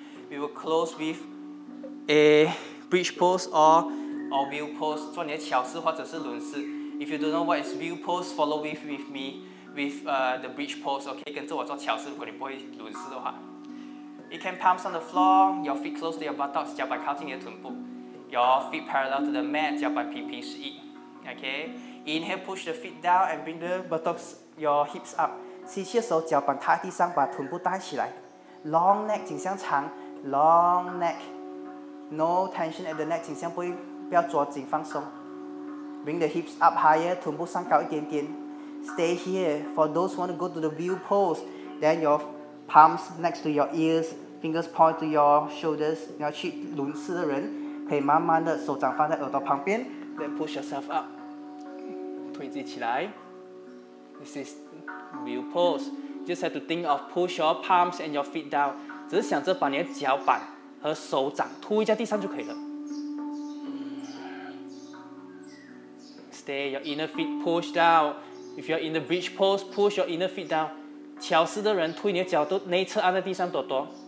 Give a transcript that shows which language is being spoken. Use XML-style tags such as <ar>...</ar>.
<en>We will close with a bridge pose or wheel pose.</en> <zh>做你的桥式或者是轮式.</zh> <en>If you don't know what is wheel pose, follow with me with the bridge pose, okay?</en> <zh>跟着我做桥式,如果你不会轮式的话.</zh> <en>You can palms on the floor, your feet close to your buttocks,</en> <zh>脚板靠近你的臀部.</zh> <en>Your feet parallel to the mat,</en> <zh>脚板平平示意.</zh> <en>Okay? Inhale, push the feet down and bring the buttocks, your hips up.</en> <zh>吸气的时候, 脚板踏地上, 把臀部带起来.</zh> <en>Long neck,</en> <zh>颈项长.</zh> <en>Long neck. No tension at the neck,</en> <zh>颈项不要抓紧放松.</zh> <en>Bring the hips up higher,</en> <zh>臀部上高一点点.</zh> <en>Stay here. For those who want to go to the wheel pose, then your palms next to your ears, fingers point to your shoulders.</en> <zh>你要去轮式的人, 可以慢慢的手掌放在耳朵旁边.</zh> <en>Then push yourself up.</en> <zh>推自己起来.</zh> <en>This is wheel pose. Just have to think of push your palms and your feet down.</en> <zh>只是想着把你的脚板和手掌推在地上就可以了.</zh> <en>stay, your inner feet push down. If you're in the bridge pose, push your inner feet down.</en> <zh>巧思的人推你的脚都内侧按在地上多多。</zh>